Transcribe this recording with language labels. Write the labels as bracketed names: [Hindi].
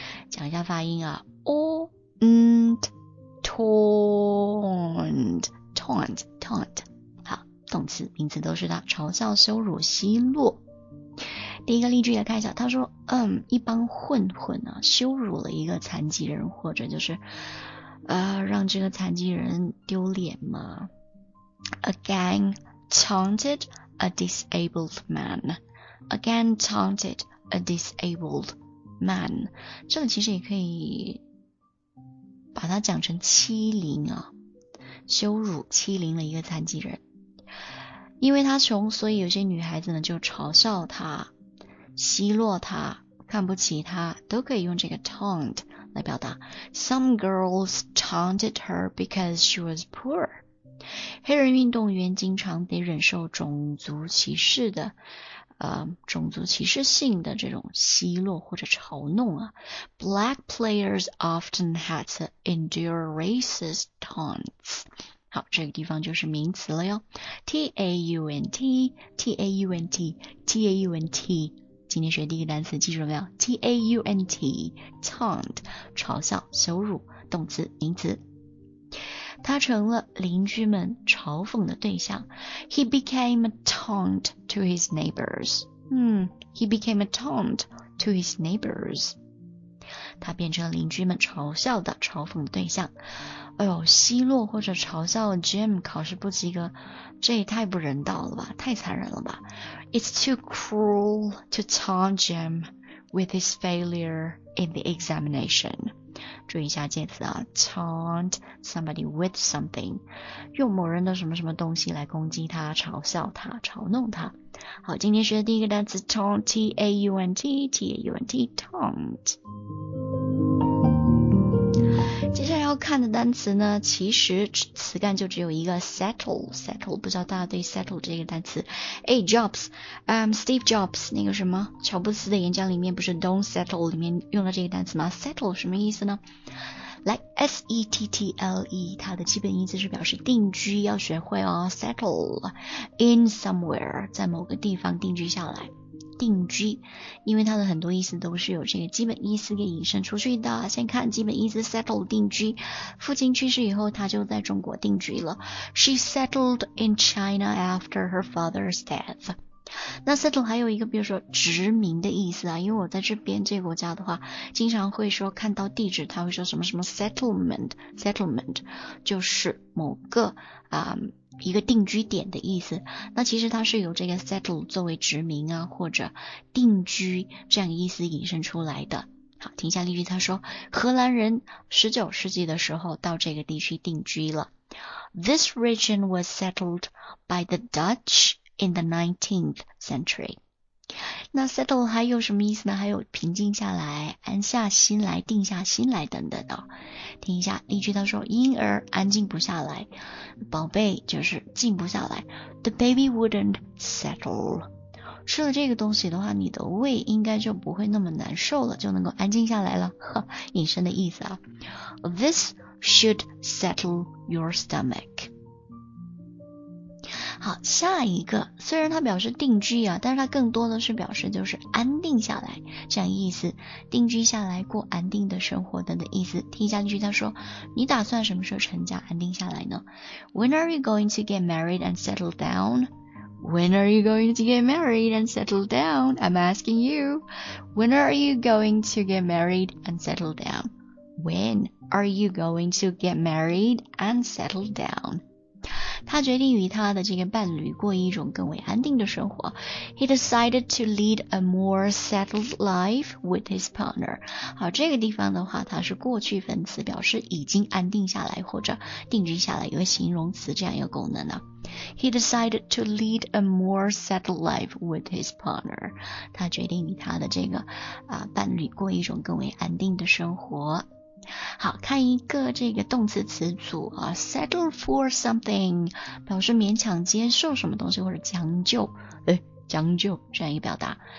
[Chinese] 讲一下发音啊 ,aunt, taunt, taunt, taunt. 好，动词、名词都是它，嘲笑、羞辱、奚落。第一个例句来看一下，他说，一帮混混啊，羞辱了一个残疾人，或者就是让这个残疾人丢脸吗？ [English] A gang taunted a disabled man. A gang taunted a disabled man. [Chinese] 这里其实也可以把它讲成欺凌啊，羞辱欺凌了一个残疾人。因为他穷，所以有些女孩子呢就嘲笑他，奚落他，看不起他，都可以用这个 taunt 来表达。 [English] Some girls taunted her because she was poor. [Chinese] 黑人运动员经常得忍受种族歧视的种族歧视性的这种奚落或者嘲弄啊。 [English] Black players often had to endure racist taunts. [Chinese] 好，这个地方就是名词了哟。T-A-U-N-T T-A-U-N-T T-A-U-N-T今天学第一个单词，记住了没有 ？taunt， taunt， 嘲笑、羞辱，动词、名词。他成了邻居们嘲讽的对象。 [English] He became a taunt to his neighbors. He became a taunt to his neighbors. [Chinese] 他变成了邻居们嘲笑的、嘲讽的对象。哎呦，奚落或者嘲笑 Jim 考试不及格，这也太不人道了吧，太残忍了吧。 [English] It's too cruel to taunt Jim with his failure in the examination. [Chinese] 注意一下介词啊， [English] taunt somebody with something， [Chinese] 用某人的什么什么东西来攻击他，嘲笑他，嘲弄他。好，今天学的第一个单词 taunt, T-A-U-N-T, T-A-U-N-T, taunt。接下来要看的单词呢，其实词干就只有一个 settle, settle, 不知道大家对 settle 这个单词。 Hey, Jobs, Steve Jobs, 那个什么乔布斯的演讲里面不是 [English] don't settle [Chinese] 里面用了这个单词吗？ settle 什么意思呢？来 ,settle, 它的基本意思是表示定居，要学会哦， settle, in somewhere, 在某个地方定居下来。定居，因为它的很多意思都是有这个基本意思给引申出去的。先看基本意思 settle 定居，父亲去世以后他就在中国定居了。 [English] She settled in China after her father's death. [Chinese] 那 settle 还有一个比如说殖民的意思啊，因为我在这边这个国家的话经常会说看到地址他会说什么什么 settlement, settlement 就是某个一个定居点的意思，那其实它是由这个 settle 作为殖民啊或者定居这样意思引申出来的。好，听一下例句，他说荷兰人19世纪的时候到这个地区定居了。 [English] This region was settled by the Dutch in the 19th century. [Chinese] 那 settle 还有什么意思呢？还有平静下来，安下心来，定下心来等等的。听一下例句，他说婴儿安静不下来，宝贝就是静不下来。 [English] The baby wouldn't settle. [Chinese] 吃了这个东西的话你的胃应该就不会那么难受了，就能够安静下来了，呵，引申的意思啊。 [English] This should settle your stomach. [Chinese] 好，下一个虽然它表示定居啊，但是它更多的是表示就是安定下来这样意思，定居下来，过安定的生活等的意思。听一下例句，他说你打算什么时候成家安定下来呢？ [English] When are you going to get married and settle down? When are you going to get married and settle down? I'm asking you. When are you going to get married and settle down? When are you going to get married and settle down? [Chinese] 他决定与他的这个伴侣过一种更为安定的生活。 [English] He decided to lead a more settled life with his partner. [Chinese] 好，这个地方的话它是过去分词，表示已经安定下来或者定居下来，有个形容词这样一个功能呢。 [English] He decided to lead a more settled life with his partner. [Chinese] 他决定与他的这个伴侣过一种更为安定的生活。好，看一个这个动词词组啊， [English] settle for something [Chinese] 表示勉强接受什么东西或者将就，将就这样一个表达。